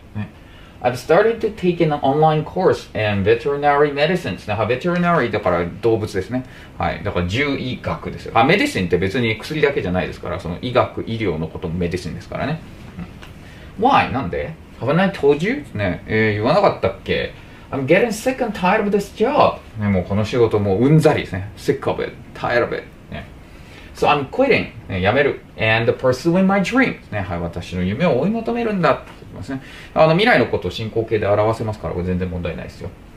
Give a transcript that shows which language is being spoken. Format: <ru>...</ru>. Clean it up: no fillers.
<en>ね、I've started to take an online course in veterinary medicine</en> <ja>ですね。 veterinary だから動物ですね。はい。だから獣医学ですよ。メディシンって別に薬だけじゃないですから、その医学、医療のこともメディシンですからね。</ja> <en>Why?</en> <ja>なんで?</ja> <en>Haven't I told you?</en> <ja>ね、言わなかったっけ?</ja> <en>I'm getting sick and tired of this job.</en> <ja>ね、もうこの仕事もううんざりですね。</ja> <en>Sick of it. Tired of it.、ね、so I'm quitting.、ね、</en> <ja>やめる。</ja> <en>And pursuing my dream.、</en> <ja>ね、はい、私の夢を追い求めるんだって言ってますね。未来のことを進行形で表せますから、全然問題ないですよ。</ja>